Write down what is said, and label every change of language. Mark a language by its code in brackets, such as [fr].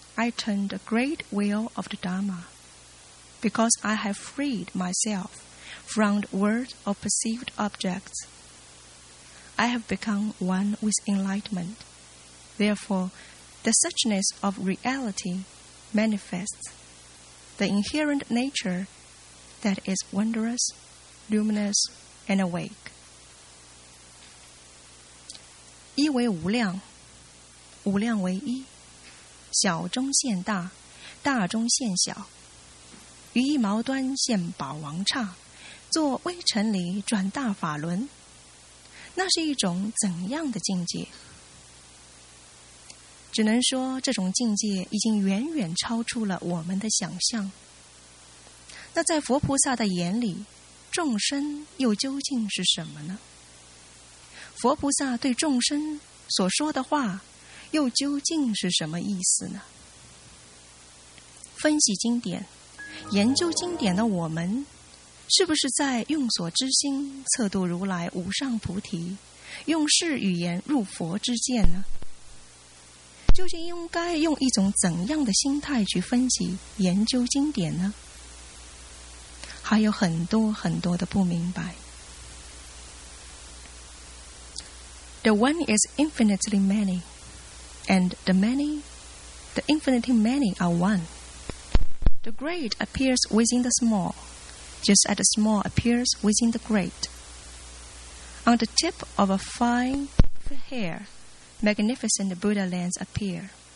[en] I turn the great wheel of the Dharma. Because I have freed myself from the world of perceived objects, I have become one with enlightenment. Therefore, the suchness of reality manifests. The inherent nature that is wondrous, luminous, and awake. [zh] 一为无量，无量为一，小中现大，大中现小，于一毛端现宝王刹，坐微尘里转大法轮，那是一种怎样的境界？只能说这种境界已经远远超出了我们的想象。那在佛菩萨的眼里，众生又究竟是什么呢？佛菩萨对众生所说的话又究竟是什么意思呢？分析经典、研究经典的我们，是不是在用所之心测度如来无上菩提，用世语言入佛之见呢？究竟应该用一种怎样的心态去分析、研究经典呢？还有很多很多的不明白。 [en] The one is infinitely many, and the many, the infinitely many are one. The great appears within the small, just as the small appears within the great. On the tip of a fine hair, magnificent Buddha lands appear.